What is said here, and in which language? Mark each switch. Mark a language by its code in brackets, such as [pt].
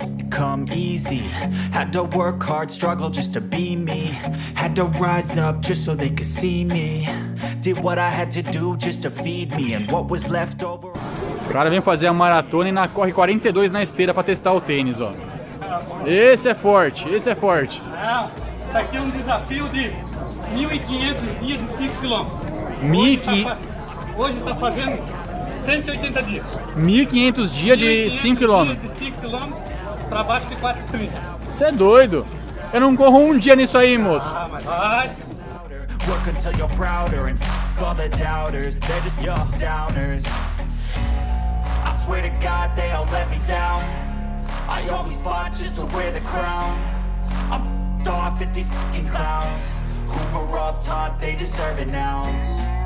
[en] Come easy, had to work hard, struggle just to be me, had to rise up just so they could see me, did what I had to do just to feed me, and what was left over. [pt] O cara vem fazer a maratona e ainda corre 42 na esteira pra testar o tênis, ó. Esse é forte. Isso aqui é um desafio de 1.500 dias de 5 km. Hoje tá fazendo 180 dias. 1.500 dias de 5 km. Pra baixo de 430. Você é doido? Eu não corro um dia nisso aí, moço. Ah, mas vai. [en] Work until you're prouder and f*** all the doubters. They're just your downers. I swear to God they all let me down. I always fought just to wear the crown. I'm f***ed off at these f***ing clowns. Who were all taught they deserve an ounce.